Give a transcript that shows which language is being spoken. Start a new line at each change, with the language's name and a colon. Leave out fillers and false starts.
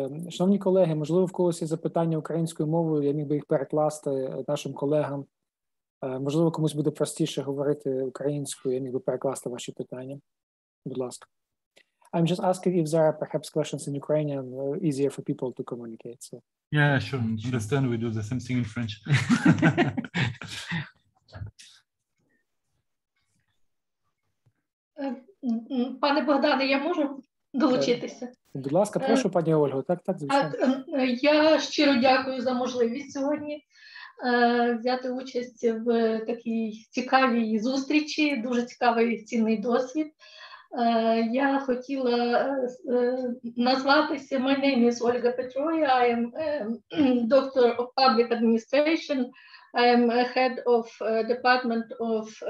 Ukrainian: Шановні колеги, можливо, в когось є запитання українською мовою, я міг би їх перекласти нашим колегам. Можливо, комусь буде простіше говорити українською, я міг би перекласти ваші питання. Будь ласка.
English: I'm just asking if there are perhaps questions in Ukrainian easier for people to communicate. So. Yeah, sure. You understand, we do the same thing in French.
Ukrainian: Пане Богдане, я можу долучитися? Будь ласка, прошу, пані Ольго. Так, звичайно. Я щиро дякую за можливість сьогодні взяти участь в такій цікавій зустрічі, дуже цікавий цінний досвід. Я хотіла назватися,
English: my name is Ольга Петрова, I am doctor of public administration, I am head of department of